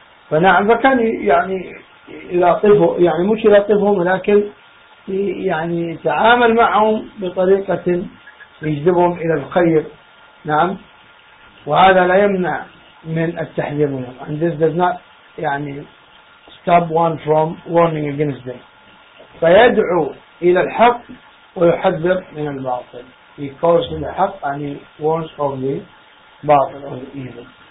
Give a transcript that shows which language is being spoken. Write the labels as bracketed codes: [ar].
[ar] فنعم فكان يعني يلاطفه يعني مش يلاطفهم لكن يعني تعامل معهم بطريقة يجذبهم إلى الخير. نعم وهذا لا يمنع من التحذير منهم. [en] And this does not يعني stop one from warning against them. [ar] فيدعو إلى الحق ويحذر من الباطل. [en] He calls to the haqq and he warns of the battle of the evil.